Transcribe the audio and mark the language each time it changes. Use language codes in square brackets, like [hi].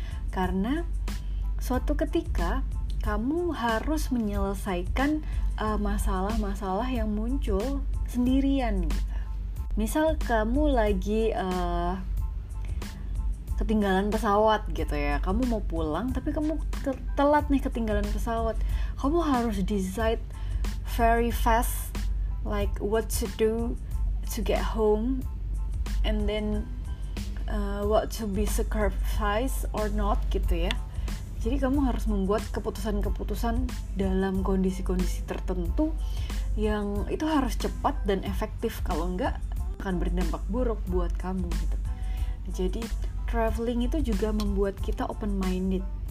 [id] Karena suatu ketika kamu harus menyelesaikan masalah-masalah yang muncul sendirian gitu. Misal kamu lagi ketinggalan pesawat gitu ya, kamu mau pulang tapi kamu telat nih ketinggalan pesawat. Kamu harus [en] decide very fast like what to do to get home, and then what to be sacrificed or not [id] gitu ya. Jadi kamu harus membuat keputusan-keputusan dalam kondisi-kondisi tertentu yang itu harus cepat dan efektif, kalau enggak akan berdampak buruk buat kamu gitu. Jadi traveling itu juga membuat kita [en] open minded.